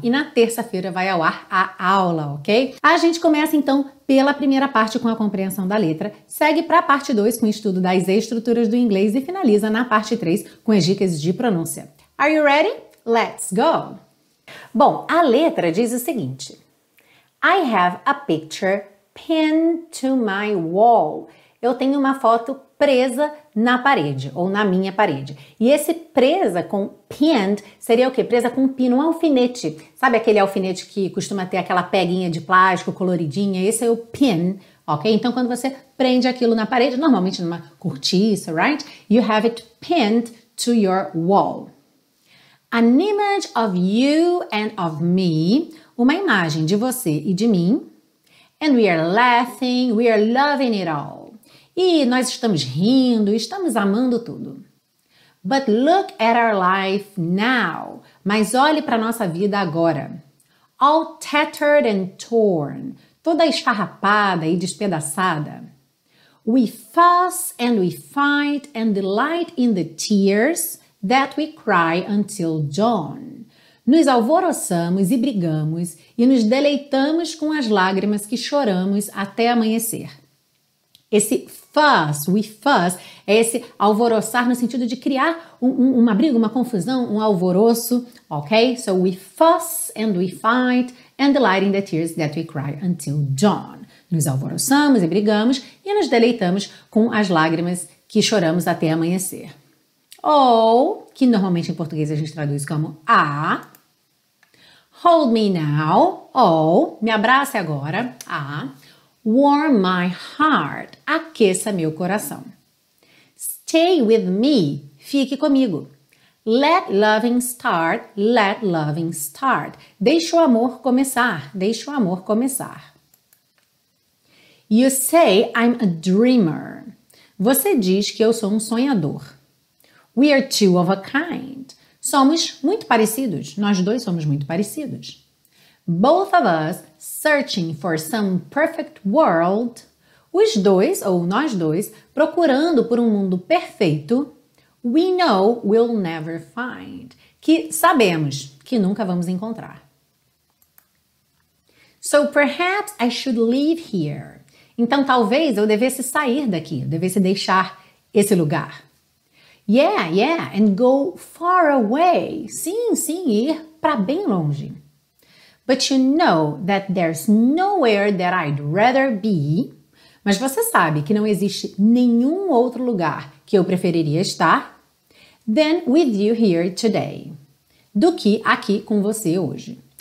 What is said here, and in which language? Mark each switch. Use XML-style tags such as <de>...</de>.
<pt>E na terça-feira vai ao ar a aula, ok? A gente começa então pela primeira parte com a compreensão da letra, segue para a parte 2 com o estudo das estruturas do inglês e finaliza na parte 3 com as dicas de pronúncia.</pt> <en>Are you ready? Let's go!</en> <pt>Bom, a letra diz o seguinte.</pt> <en>I have a picture pinned to my wall.</en> <pt>Eu tenho uma foto presa na parede ou na minha parede. E esse presa com pinned seria o quê? Presa com pino, um alfinete. Sabe aquele alfinete que costuma ter aquela peguinha de plástico coloridinha? Esse é o pin, ok? Então quando você prende aquilo na parede, normalmente numa cortiça, right?</pt> <en>You have it pinned to your wall. An image of you and of me.</en> <pt>Uma imagem de você e de mim.</pt> <en>And we are laughing, we are loving it all.</en> <pt>E nós estamos rindo, estamos amando tudo.</pt> <en>But look at our life now.</en> <pt>Mas olhe para a nossa vida agora.</pt> <en>All tattered and torn.</en> <pt>Toda esfarrapada e despedaçada.</pt> <en>We fuss and we fight and delight in the tears that we cry until dawn.</en> <pt>Nos alvoroçamos e brigamos e nos deleitamos com as lágrimas que choramos até amanhecer. Esse fuss, we fuss, é esse alvoroçar no sentido de criar uma briga, uma confusão, um alvoroço, ok?</pt> <en>So we fuss and we fight and delight in the tears that we cry until dawn.</en> <pt>Nos alvoroçamos e brigamos e nos deleitamos com as lágrimas que choramos até amanhecer. Ou, que normalmente em português a gente traduz como a,</pt> <en>hold me now,</en> <pt>ou, me abrace agora, a,</pt> <en>warm my heart,</en> <pt>aqueça meu coração.</pt> <en>Stay with me,</en> <pt>fique comigo.</pt> <en>Let loving start, let loving start.</en> <pt>Deixa o amor começar, deixa o amor começar.</pt> <en>You say I'm a dreamer.</en> <pt>Você diz que eu sou um sonhador.</pt> <en>We are two of a kind.</en> <pt>Somos muito parecidos. Nós dois somos muito parecidos.</pt> <en>Both of us searching for some perfect world.</en> <pt>Os dois, ou nós dois, procurando por um mundo perfeito.</pt> <en>We know we'll never find.</en> <pt>Que sabemos que nunca vamos encontrar.</pt> <en>So perhaps I should leave here.</en> <pt>Então talvez eu devesse sair daqui, eu devesse deixar esse lugar.</pt> <en>Yeah, and go far away.</en> <pt>Sim, ir para bem longe.</pt> <en>But you know that there's nowhere that I'd rather be.</en> <pt>Mas você sabe que não existe nenhum outro lugar que eu preferiria estar</pt> <en>than with you here today.</en> <pt>Do que aqui com você hoje.</pt>